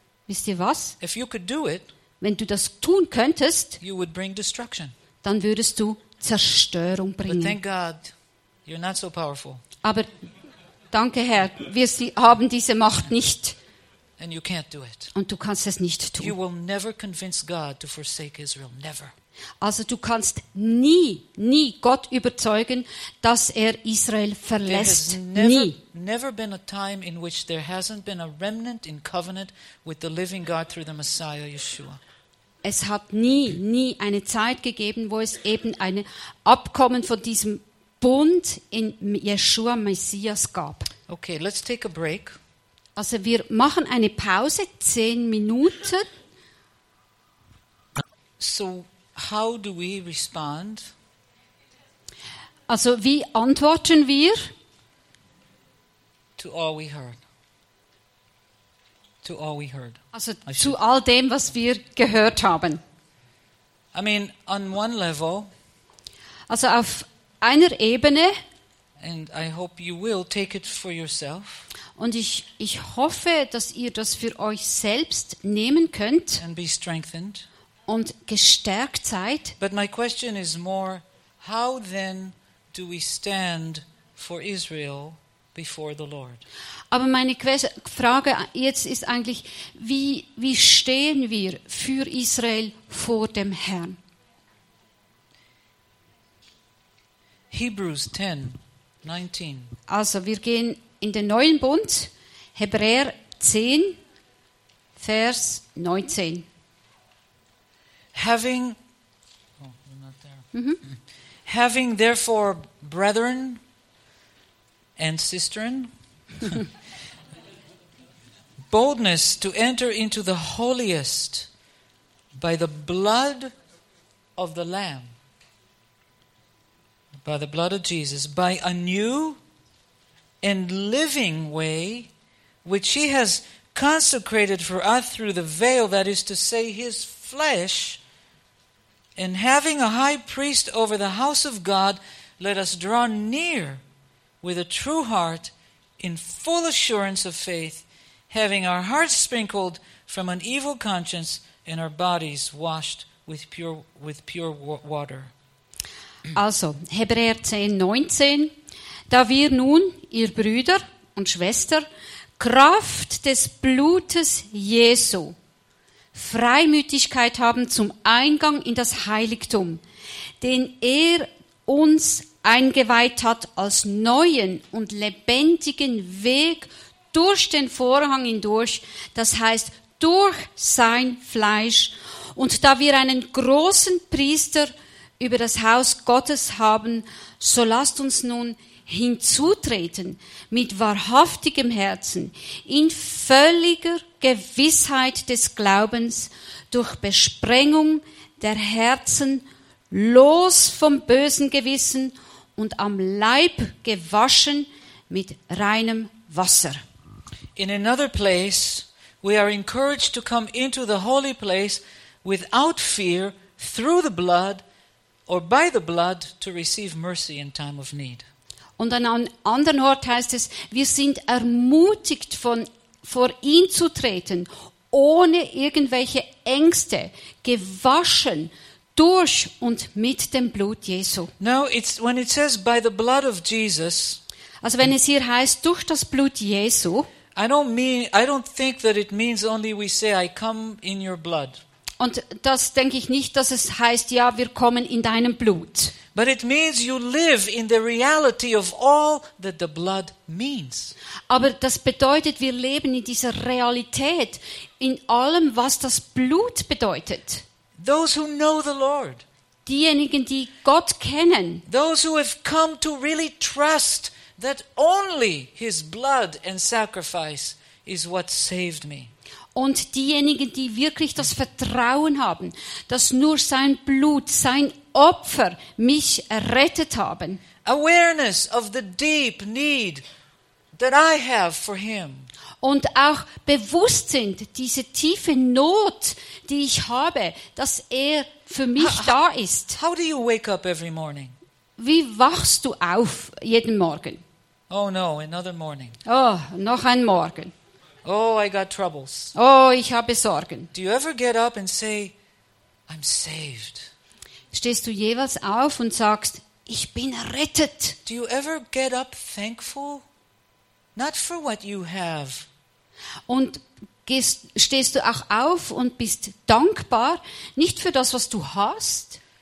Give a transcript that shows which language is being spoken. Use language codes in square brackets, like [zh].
[de] Wisst ihr was? [en] If you could do it, [de] wenn du das tun könntest, [en] you would bring destruction. [de] Dann würdest du Zerstörung bringen. [en] But thank God, you're not so powerful. [de] Aber danke Herr, wir haben diese Macht nicht. [en] And you can't do it. [de] Und du kannst es nicht tun. [en] You will never convince God to forsake Israel. Never. [de] Also du kannst nie, nie Gott überzeugen, dass Israel verlässt. [en] There has never, [de] nie. [en] Never been a time in which there hasn't been a remnant in covenant with the living God through the Messiah Yeshua. [de] Es hat nie, nie eine Zeit gegeben, wo es eben ein Abkommen von diesem Bund in Yeshua Messias gab. [en] Okay, let's take a break. [de] Also wir machen eine Pause, 10 Minuten. [en] So, how do we respond? [de] Also wie antworten wir? [en] To all we heard. To all we heard. [de] Also zu all dem, was wir gehört haben. [en] I mean, on one level. [de] Also auf einer Ebene. [en] And I hope you will take it for yourself. [de] Und ich hoffe, dass ihr das für euch selbst nehmen könnt [en] and be strengthened. [de] Und gestärkt seid. [en] But my question is more, how then do we stand for Israel before the Lord? [de] Aber meine Frage jetzt ist eigentlich, wie stehen wir für Israel vor dem Herrn? [en] Hebrews 10, 19. [de] Also wir gehen in den Neuen Bund, Hebräer 10, Vers 19. [en] Having therefore brethren and sistren, boldness to enter into the holiest by the blood of the Lamb. by the blood of Jesus, by a new and living way, which he has consecrated for us through the veil, that is to say, his flesh. And having a high priest over the house of God, let us draw near with a true heart in full assurance of faith, having our hearts sprinkled from an evil conscience and our bodies washed with pure water. [de] Also, Hebräer 10, 19. Da wir nun, ihr Brüder und Schwester, Kraft des Blutes Jesu, Freimütigkeit haben zum Eingang in das Heiligtum, den er uns eingeweiht hat als neuen und lebendigen Weg durch den Vorhang hindurch, das heißt durch sein Fleisch. Und da wir einen großen Priester über das Haus Gottes haben, so lasst uns nun hinzutreten mit wahrhaftigem Herzen, in völliger Gewissheit des Glaubens, durch Besprengung der Herzen, los vom bösen Gewissen und am Leib gewaschen mit reinem Wasser. [en] In another place, we are encouraged to come into the holy place without fear, through the blood or by the blood, to receive mercy in time of need. [de] Und an einem anderen Ort heißt es, wir sind ermutigt, vor ihn zu treten, ohne irgendwelche Ängste, gewaschen durch und mit dem Blut Jesu. [en] Now, it's, when it says by the blood of Jesus, [de] also wenn es hier heißt, durch das Blut Jesu, [en] I don't think that it means only we say, I come in your blood. [de] Und das denke ich nicht, dass es heißt, ja, wir kommen in deinem Blut. [en] But it means you live in the reality of all that the blood means. [de] Aber das bedeutet, wir leben in dieser Realität, in allem, was das Blut bedeutet. [en] Those who know the Lord. [de] Diejenigen, die Gott kennen. [en] Those who have come to really trust that only his blood and sacrifice is what saved me. [de] Und diejenigen, die wirklich das Vertrauen haben, dass nur sein Blut, sein Opfer mich errettet haben. [en] Awareness of the deep need that I have for him. [de] Und auch bewusst sind, diese tiefe Not, die ich habe, dass er für mich da ist. [en] How do you wake up every morning? [de] Wie wachst du auf jeden Morgen? [en] Oh no, another morning. [de] Oh, noch ein Morgen. [en] Oh, I got troubles. [de] Oh, ich habe Sorgen. [en] Do you ever get up and say, I'm saved? [de] Stehst du jeweils auf und sagst, ich bin errettet? [en] Do you ever get up thankful? Not for what you have. [de] Und stehst du auch auf und bist dankbar, nicht für das, was du hast?